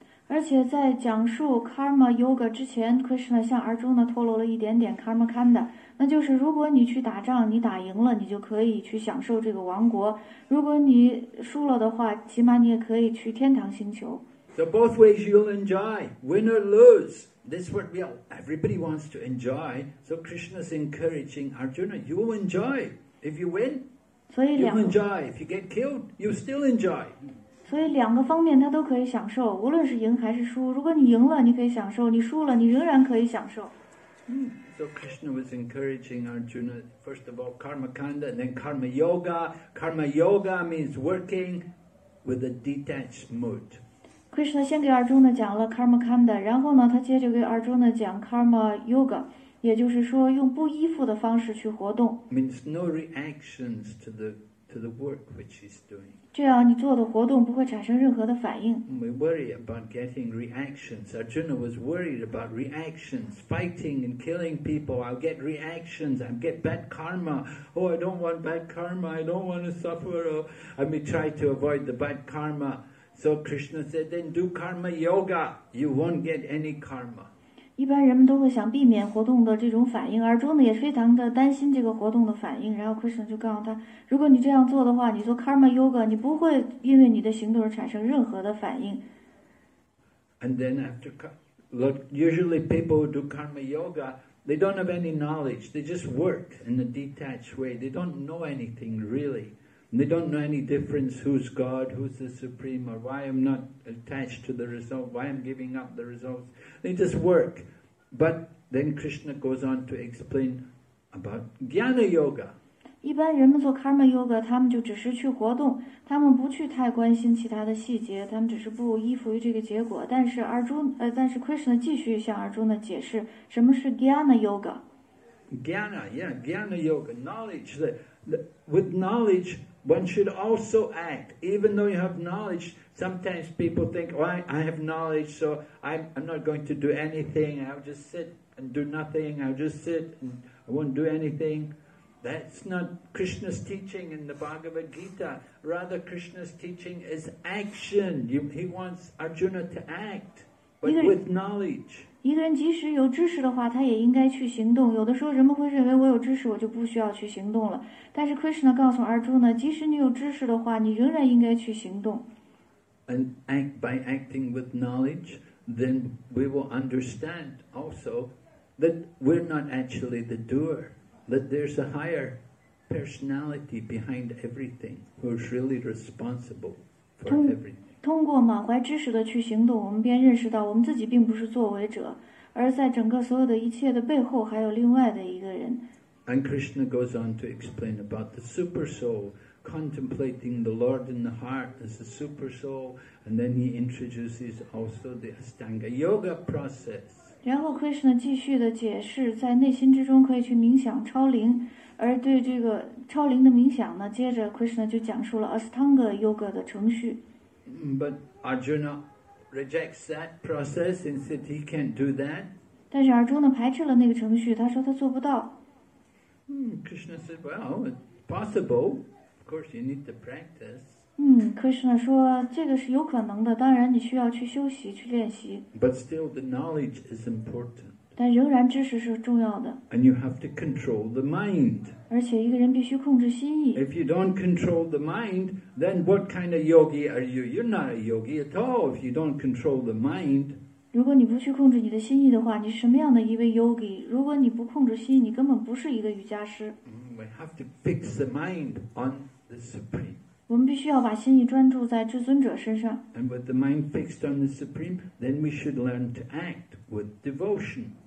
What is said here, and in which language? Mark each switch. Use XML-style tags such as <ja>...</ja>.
<zh>而且在讲述 karma yoga 之前 ，Krishna 向 Arjuna 透露了一点点 karma kanda， 那就是如果你去打仗，你打赢了，你就可以去享受这个王国；如果你输了的话，起码你也可以去天堂星球。</zh> <en>So both ways you'll enjoy, win or lose. This is what everybody wants to enjoy. So Krishna is encouraging Arjuna, you will enjoy. If you win, you'll enjoy. If you get killed, you'll still enjoy.</en> <zh>所以两个方面他都可以享受，无论是赢还是输，如果你赢了你可以享受，你输了你仍然可以享受。</zh> <en>So Krishna was encouraging Arjuna, first of all, karma kanda, and then karma yoga. Karma yoga means working with a detached mood.</en> <zh>Krishna 先给 Arjuna 讲了 karma kanda, 然后呢他接着给 Arjuna 讲 karma yoga, 也就是说用不依附的方式去活动。</zh> <en>Means no reactions to the work which he's doing.</en> <zh>这样你做的活动不会产生任何的反应。</zh> <en>We worry about getting reactions. Arjuna was worried about reactions, fighting and killing people. I'll get reactions. I'll get bad karma. Oh, I don't want bad karma. I don't want to suffer. Oh, let me try to avoid the bad karma. So Krishna said, then do karma yoga. You won't get any karma.</en> <zh>一般人们都会想避免活动的这种反应，而Arjuna也非常的担心这个活动的反应，然后 Krishna 就告诉他，如果你这样做的话，你做 Karma Yoga, 你不会因为你的行动而产生任何的反应。</zh> <en>And then after, look, usually people who do Karma Yoga, they don't have any knowledge, they just work in a detached way, they don't know anything really, they don't know any difference, who's God, who's the Supreme, or why I'm not attached to the result, why I'm giving up the results. They just work. But then Krishna goes on to explain about Jnana Yoga.</en> <zh>一般人们做 Karma Yoga, 他们就只是去活动，他们不去太关心其他的细节，他们只是不依附于这个结果。但是 Krishna 继续向 Arjuna 解释什么是 Jnana Yoga.</zh> <en>Jnana, yeah, Jnana Yoga, knowledge. With knowledge, one should also act. Even though you have knowledge,Sometimes people think, oh, I have knowledge, so I'm not going to do anything. I'll just sit and do nothing. I'll just sit and I won't do anything. That's not Krishna's teaching in the Bhagavad Gita. Rather, Krishna's teaching is action. He wants Arjuna to act, but with knowledge.</en> <zh>一个人即使有知识的话，他也应该去行动。有的时候人们会认为我有知识，我就不需要去行动了。但是 Krishna 告诉 Arjuna, 即使你有知识的话，你仍然应该去行动。</zh> <en>And act by acting with knowledge, then we will understand also that we're not actually the doer, that there's a higher personality behind everything who's really responsible for everything.</en> <zh>通过满怀知识的去行动，我们便认识到我们自己并不是作为者，而在整个所有的一切的背后还有另外的一个人。</zh> <en>And Krishna goes on to explain about the super soul. Contemplating the Lord in the heart as a super soul, and then he introduces also the Astanga Yoga process.</en> <zh>然后 Krishna 继续的解释，在内心之中可以去冥想超灵，而对这个超灵的冥想呢，接着 Krishna 就讲述了 Astanga Yoga 的程序。</zh> <en>But Arjuna rejects that process and said he can't do that.</en> <zh>但是 Arjuna 排斥了那个程序，他说他做不到。</zh> <en>Krishna said, "Well, it's possible." Of course, you need to practice.</en> <zh>Krishna 说这个是有可能的，当然你需要去休息，去练习。</zh> <en>But still, the knowledge is important.</en> <zh>但仍然知识是重要的。</zh> <en>And you have to control the mind.</en> <zh>而且一个人必须控制心意。</zh> <en>If you don't control the mind, then what kind of yogi are you? You're not a yogi at all if you don't control the mind.</en> <zh>如果你不去控制你的心意的话，你是什么样的一位 yogi? 如果你不控制心意，你根本不是一个瑜伽师。</zh> <en>We have to fix the mind on the Supreme.</en> <zh>我们必须要把心意专注在至尊者身上。</zh> <en>And with the mind fixed on the Supreme, then we should learn to act with devotion.</en>